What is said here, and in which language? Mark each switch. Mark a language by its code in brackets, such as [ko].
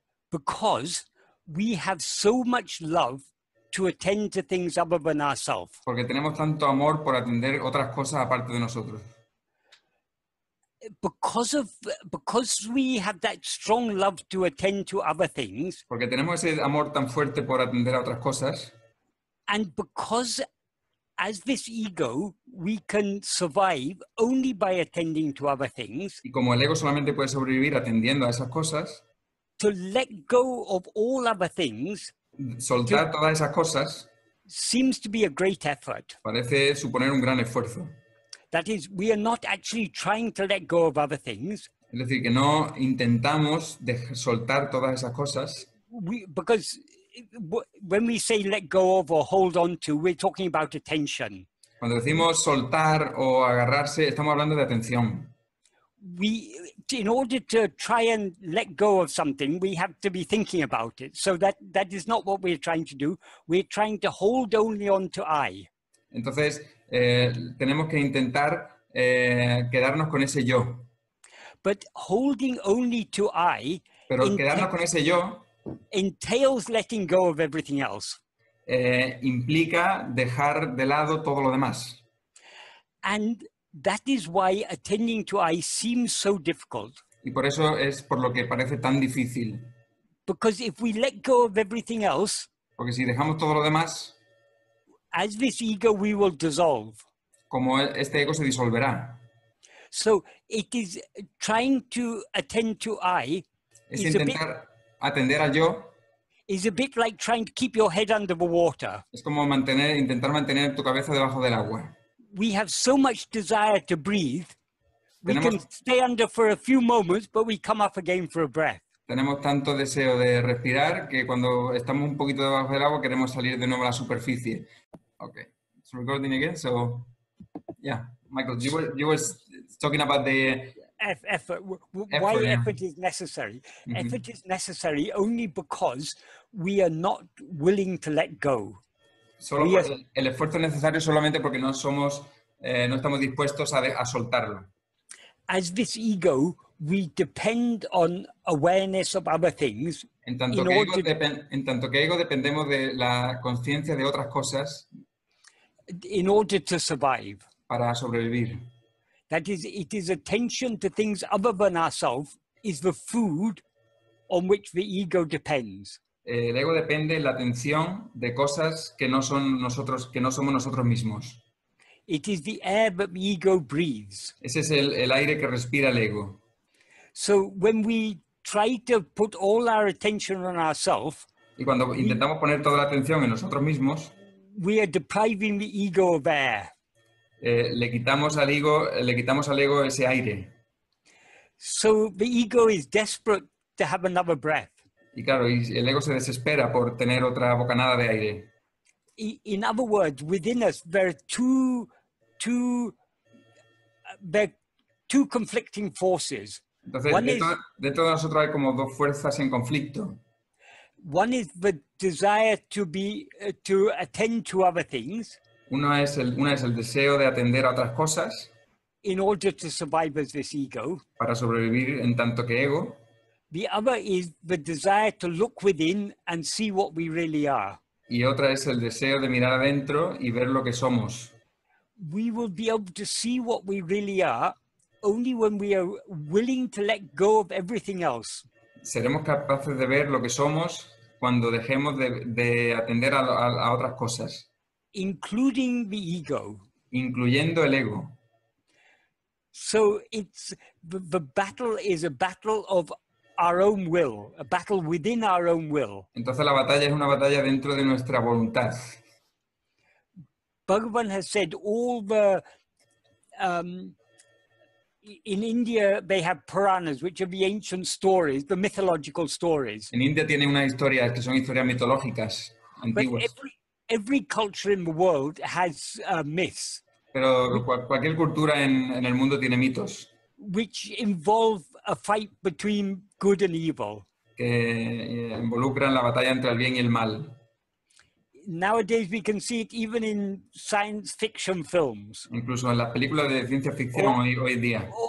[en] Because we have so much love to attend to things other than ourselves. [es] Porque tenemos tanto amor por atender otras cosas aparte de nosotros. [en] Because we have that strong love to attend to other things. [es] Porque tenemos ese amor tan fuerte por atender a otras cosas. [en] And because, as this ego, we can survive only by attending to other things. [es] Y como el ego solamente puede sobrevivir atendiendo a esas cosas. [en] To let go of all other things. [es] Soltar todas esas cosas [en] seems to be a great effort. [es] Parece suponer un gran esfuerzo. [en] That is, we are not actually trying to let go of other things. [es] Es decir, que no intentamos soltar todas esas cosas. [en] Because when we say let go of or hold on to, we're talking about attention. [es] Cuando decimos soltar o agarrarse, estamos hablando de atención. [en] In order to try and let go of something, we have to be thinking about it. So that is not what we're trying to do. We're trying to hold only on to I. [es] Entonces, tenemos que intentar quedarnos con ese yo. [en] But holding only to I, [es] pero quedarnos con ese yo, [en] entails letting go of everything else. [es] Implica dejar de lado todo lo demás. [en] And that is why attending to I seems so difficult. [es] Y por eso es por lo que parece tan difícil. [en] Because if we let go of everything else, [es] porque si dejamos todo lo demás, [en] as this ego we will dissolve. [es] Como este ego se disolverá. [en] So it is trying to attend to I [es] es intentar atender al yo. [en] Is a bit like trying to keep your head under the water. [es] Es como intentar mantener tu cabeza debajo del agua. [en] We have so much desire to breathe. We can stay under for a few moments, but we come up again for a breath. [es] Tenemos tanto deseo de respirar que cuando estamos un poquito debajo del agua queremos salir de nuevo a la superficie. [en] Okay, it's recording again. So, yeah, Michael, you were talking about the effort. Why effort is necessary? Mm-hmm. Effort is necessary only because we are not willing to let go. [es] solo por el esfuerzo necesario solamente porque no somos, no estamos dispuestos a soltarlo. [en] As this ego, we depend on awareness of other things. [es] En tanto que ego, dependemos de la conciencia de otras cosas. [en] In order to survive. [es] Para sobrevivir. [en] That is, it is attention to things other than ourselves is the food on which the ego depends. [es] El ego depende la atención de cosas que no son nosotros, que no somos nosotros mismos. [en] It is the air that the ego breathes. [es] Ese es el aire que respira el ego. [en] So when we try to put all our attention on ourselves, [es] y cuando intentamos poner toda la atención en nosotros mismos, [en] we are depriving the ego of air. [es] Le quitamos al ego ese aire. [en] So the ego is desperate to have another breath. [es] Y claro, el ego se desespera por tener otra bocanada de aire. [en] In other words, within us there are two conflicting forces. [es] Entonces, dentro de nosotros hay como dos fuerzas en conflicto. [en] One is the desire to attend to other things. [es] Una es el deseo de atender a otras cosas. [en] In order to survive as this ego. [es] Para sobrevivir en tanto que ego. [en] The other is the desire to look within and see what we really are. [es] Y otra es el deseo de mirar adentro y ver lo que somos. [en] We will be able to see what we really are only when we are willing to let go of everything else. [es] Seremos capaces de ver lo que somos cuando dejemos de atender a otras cosas. [en] Including the ego. [es] Incluyendo el ego. [en] So it's the battle is a battle of our own will, a battle within our own will. [es] Entonces la batalla es una batalla dentro de nuestra voluntad. [en] Bhagavan has said all the in India they have Puranas, which are the ancient stories, the mythological stories. [es] En India tienen unas historias que son historias mitológicas antiguas. [en] But every culture in the world has myths. [es] Pero cualquier cultura en el mundo tiene mitos. [en] Which involve a fight between good and evil. [es] Que involucran la batalla entre el bien y el mal. [en] Nowadays we can see it even in science fiction films. [es] Incluso en las películas de ciencia ficción hoy día.